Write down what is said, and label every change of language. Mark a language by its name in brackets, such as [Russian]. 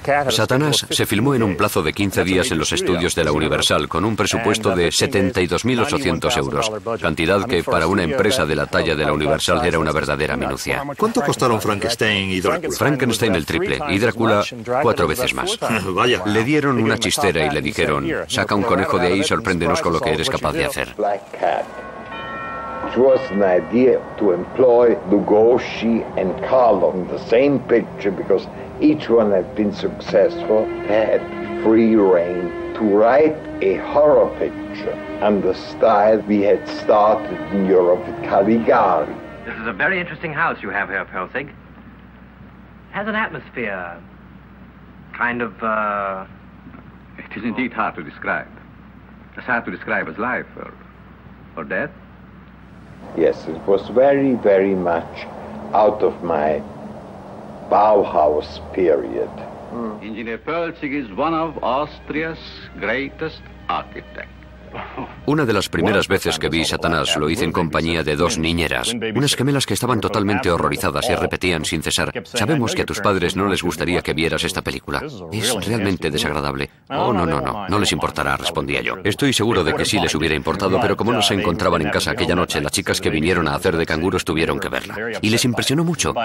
[Spanish] Satanás se filmó en un plazo de 15 días en los estudios de la Universal con un presupuesto de 72.800 euros, cantidad que para una empresa de la talla de la Universal era una verdadera minucia. ¿Cuánto costaron Frankenstein y Drácula? Frankenstein el triple y Drácula cuatro veces más. Vaya. Le dieron una chistera y le dijeron: saca un conejo de ahí y sorpréndenos con lo que eres capaz de hacer. [English] It was an idea to employ Lugosi and Carlo in the same picture because each one had been successful, had free rein to write a horror picture and the style we had started in Europe with Caligari. This is a very interesting house you have here, Pelzig. Has an atmosphere, kind of, It is indeed hard to describe. As hard to describe as life or death. Yes, it was very, very much out of my Bauhaus period. Mm. Engineer Pölzig is one of Austria's greatest architects. [Spanish] Una de las primeras veces que vi Satanás lo hice en compañía de dos niñeras, unas gemelas que estaban totalmente horrorizadas y repetían sin cesar: sabemos que a tus padres no les gustaría que vieras esta película. Es realmente desagradable. Oh, no les importará, respondía yo. Estoy seguro de que sí les hubiera importado, pero como no se encontraban en casa aquella noche, las chicas que vinieron a hacer de canguros tuvieron que verla. Y les impresionó mucho.